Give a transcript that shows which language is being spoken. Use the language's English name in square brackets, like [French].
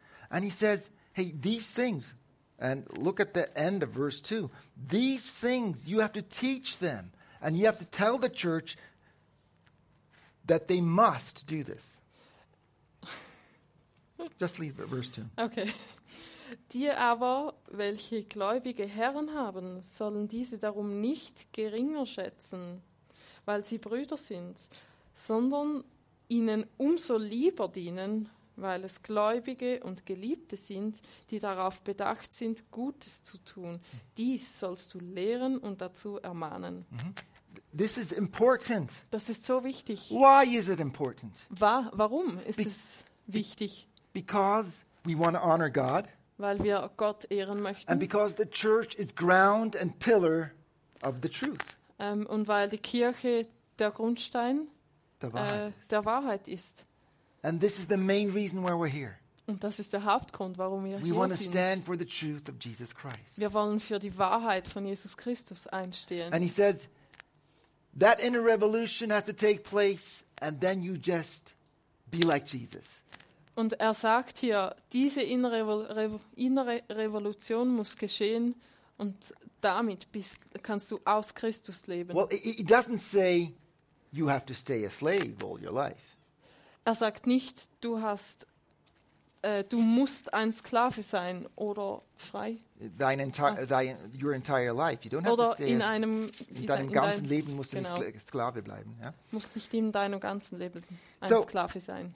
[English] And he says, hey, these things. And look at the end of verse 2. These things, you have to teach them. And you have to tell the church that they must do this. Just leave verse 2. Okay. [German] Die aber, welche gläubige Herren haben, sollen diese darum nicht geringer schätzen, weil sie Brüder sind, sondern ihnen umso lieber dienen, weil es Gläubige und Geliebte sind, die darauf bedacht sind, Gutes zu tun. Dies sollst du lehren und dazu ermahnen. [English] Mm-hmm. This is important. [German] Das ist so wichtig. [English] Why is it important? [German] Warum ist es wichtig? [English] Because we want to honor God. [German] Weil wir Gott ehren möchten. [English] And because the church is ground and pillar of the truth. [German] Und weil die Kirche der Grundstein der Wahrheit ist. [English] And this is the main reason why we're here. [German] Und das ist der Hauptgrund, warum wir [English] we [German] hier sind. [English] We want to stand for the truth of Jesus Christ. [German] Wir wollen für die Wahrheit von Jesus Christus einstehen. [English] And he says, that inner revolution has to take place and then you just be like Jesus. [German] Und er sagt hier, diese innere Revolution muss geschehen und damit kannst du aus Christus leben. [English] Well, he doesn't say you have to stay a slave all your life. [German] Er sagt nicht, du musst ein Sklave sein oder frei. [English] Your entire life, you don't have [German] oder [English] to stay. [German] In deinem ganzen Leben musst du nicht Sklave bleiben. Ja? Musst nicht in deinem ganzen Leben Sklave sein.